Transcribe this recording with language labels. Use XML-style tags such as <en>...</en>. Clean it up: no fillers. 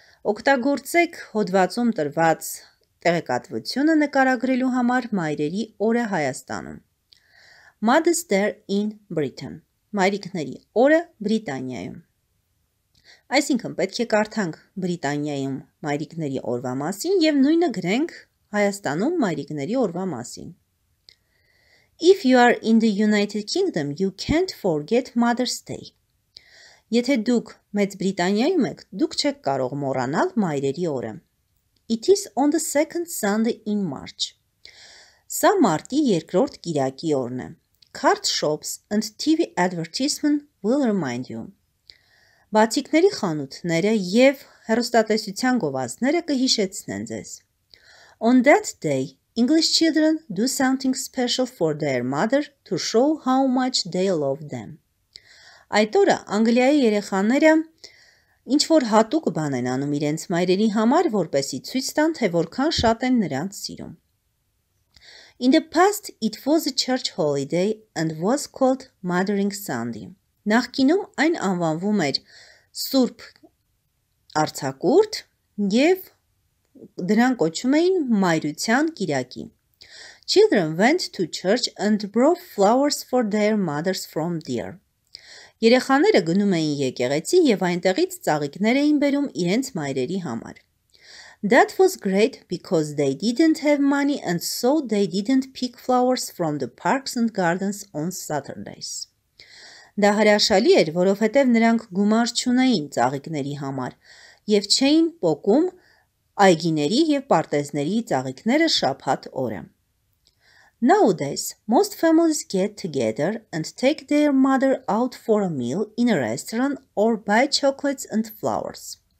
<hy>Օգտագործեք հոդվածում տրված տեղեկատվությունը նկարագրելու համար մայրերի օրը Հայաստանում.</hy> <en>Mother's Day in Britain.</en> <hy>Մայրիկների օրը Բրիտանիայում. Այսինքն պետք է կարդանք Բրիտանիայում մայրիկների օրվա մասին և նույնը գրենք Հայաստանում մայրիկների օրվա մասին.</hy> <en>If you are in the United Kingdom, you can't forget Mother's Day.</en> <hy>Եթե դուք Մեծ Բրիտանիայում եք, դուք չեք կարող մոռանալ մայրերի օրը.</hy> <en>It is on the second Sunday in March.</en> <hy>Սա մարտի երկրորդ կիրակի օրն է.</hy> <en>Card shops and TV advertisement will remind you.</en> <hy>Բացիկների խանութները և հեռուստատեսության գովազդները կհիշեցնեն ձեզ.</hy> <en>On that day, English children do something special for their mother to show how much they love them.</en> <hy>Այդ օրը Անգլիայի երեխաները ինչ-որ հատուկ բան են անում իրենց մայրերի համար, որպեսի ցույց տան, թե որքան շատ են նրանց սիրում.</hy> <en>In the past, it was a church holiday and was called Mothering Sunday.</en> <hy>Նախկինում այն անվանվում էր Սուրբ Արձակուրդ և դրան կոչում էին Մայրության Կիրակի.</hy> <en>Children went to church and brought flowers for their mothers from there.</en> <hy>Երեխաները գնում էին եկեղեցի և այնտեղից ծաղիկներ էին բերում իրենց մայրերի համար.</hy> <en>That was great because they didn't have money and so they didn't pick flowers from the parks and gardens on Saturdays.</en> <hy>Դա հրաշալի էր, որովհետև նրանք գումար չունեին ծաղիկների համար և չէին պոկում այգիների և պարտեզների ծաղիկները շաբաթ օրը։</hy> <en>Nowadays, most families get together and take their mother out for a meal in a restaurant or buy chocolates and flowers.</en>